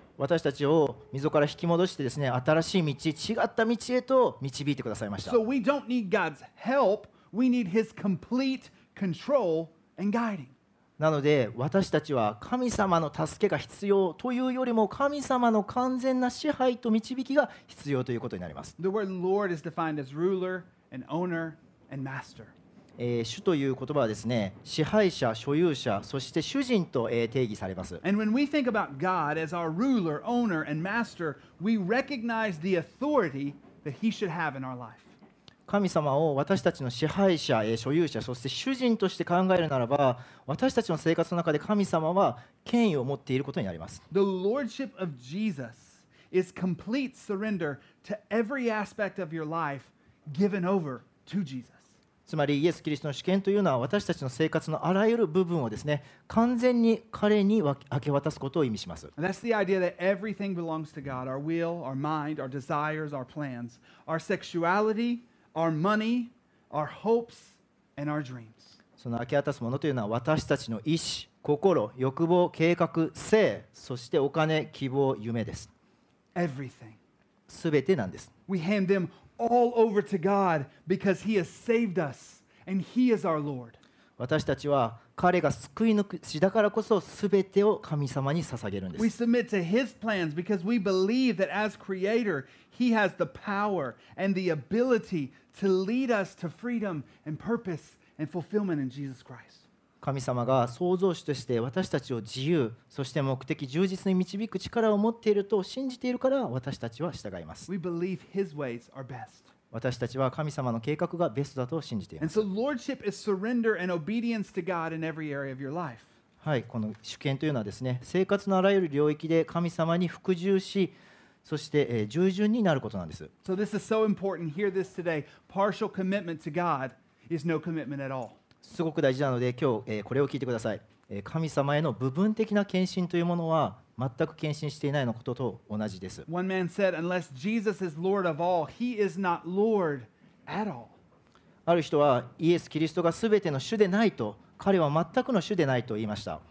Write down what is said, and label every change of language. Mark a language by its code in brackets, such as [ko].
[ja] 私たちを溝から引き戻してですね、新しい道、違った道へと導いてくださいました。 [en] So we don't need God's help, we need His complete control and guiding. [ja] なので私たちは神様の助けが必要というよりも神様の完全な支配と導きが必要ということになります。 [en] The word Lord is defined as ruler and owner and master. [ja] 主という言葉はですね、支配者、所有者、そして主人と定義されます。 [en] And when we think about God as our ruler, owner, and master, we recognize the authority that He should have in our life. [ja] 神様を私たちの支配者、所有者、そして主人として考えるならば、私たちの生活の中で神様は権威を持っていることになります。 [en] The lordship of Jesus is complete surrender to every aspect of your life given over to Jesus. [ja] つまりイエス・キリストの主権というのは私たちの生活のあらゆる部分をですね、完全に彼に明け渡すことを意味します。 [en] That's the idea that everything belongs to God. Our will, our mind, our desires, our plans, our sexuality, our money, our hopes, and our dreams. [ja] その明け渡すものというのは私たちの意思、心、欲望、計画、性、そしてお金、希望、夢です。 [en] Everything. [ja] すべてなんです。 [en] We hand them all over to God because He has saved us and He is our Lord. [ja] 私たちは彼が救い主だからこそ全てを神様に捧げるんです。 [en] We submit to His plans because we believe that as Creator, He has the power and the ability to lead us to freedom and purpose and fulfillment in Jesus Christ. [ja] 神様が創造主として私たちを自由、そして目的、充実に導く力を持っていると信じているから私たちは従います。 [en] We believe His ways are best. [ja] 私たちは神様の計画がベストだと信じています。 [en] And so lordship is surrender and obedience to God in every area of your life. [ja] はい、この主権というのはですね、生活のあらゆる領域で神様に服従し、そして、従順になることなんです。 [en] So this is so important. Hear this today. Partial commitment to God is no commitment at all. [ja] すごく大事なので今日、これを聞いてください、神様への部分的な献身というものは全く献身していないのことと同じです。 [en] One man said, unless Jesus is Lord of all, he is not Lord at all. [ja] ある人はイエス・キリストが全ての主でないと、彼は全くの主でないと言いました。